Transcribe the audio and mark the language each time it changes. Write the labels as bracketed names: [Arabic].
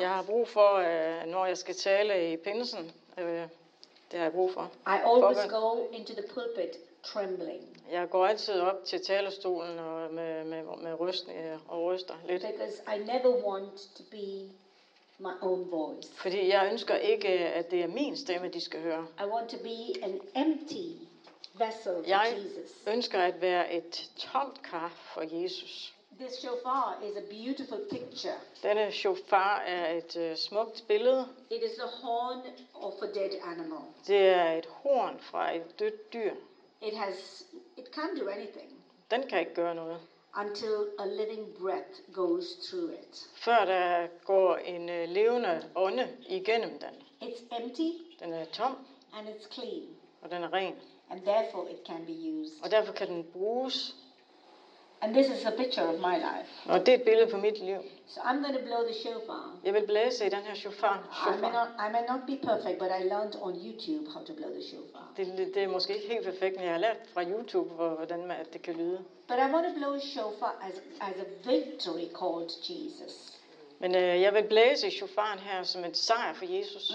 [Danish] Jeg har brug for, når jeg skal tale i pinsen. Det har jeg brug for. [English] I always go into the pulpit trembling. [Danish] Jeg går altid op til talerstolen og med rysten og ryster lidt. [English] Because I never want to be my own voice. [Danish] Fordi jeg ønsker ikke, at det er min stemme, de skal høre. [English] I want to be an empty vessel for [Danish] jeg [English] Jesus. [Danish] Jeg ønsker at være et tomt kar for Jesus. [English] This shofar is a beautiful picture. [Danish] Denne shofar er et smukt billede. [English] It is a horn of a dead animal. [Danish] Det er et horn fra et dødt dyr. [English] It can't do anything. [Danish] Den kan ikke gøre noget. [English] Until a living breath goes through it. [Danish] Før der går en levende ånde igennem den. [English] It's empty. [Danish] Den er tom. [English] And it's clean. [Danish] Og den er ren. [English] And therefore it can be used. [Danish] Og derfor kan den bruges. [English] And this is a picture of my life. [Danish] Og det er et billede på mit liv. [English] So I'm going to blow the shofar. [Danish] Jeg vil blæse i den her shofar. [English] I may not be perfect, but I learned on YouTube how to blow the shofar. [Danish] Det er måske ikke helt perfekt, men jeg har lært fra YouTube hvordan det kan lyde. [English] But I want to blow a shofar as a victory call to Jesus. [Danish] Men jeg vil blæse i shofaren her som en sejr for Jesus.